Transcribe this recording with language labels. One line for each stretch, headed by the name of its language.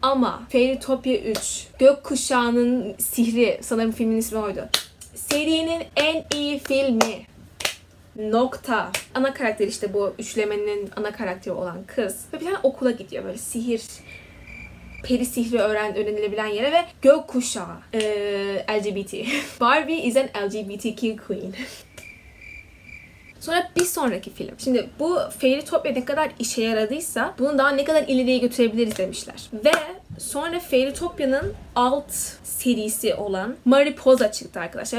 Turkish: Ama Fairytopia 3, Gökkuşağı'nın Sihri, sanırım filmin ismi oydu. Serinin en iyi filmi. Nokta. Ana karakter işte bu üçlemenin ana karakteri olan kız. Ve bir tane okula gidiyor böyle sihir. Peri sihri öğrenilebilen yere ve Gökkuşağı. LGBT.
English: Barbie is an LGBTQ queen.
Turkish: Sonra bir sonraki film. Şimdi bu Fairytopia ne kadar işe yaradıysa bunu daha ne kadar ileriye götürebiliriz demişler. Ve sonra Fairytopia'nın alt serisi olan Mariposa çıktı arkadaşlar.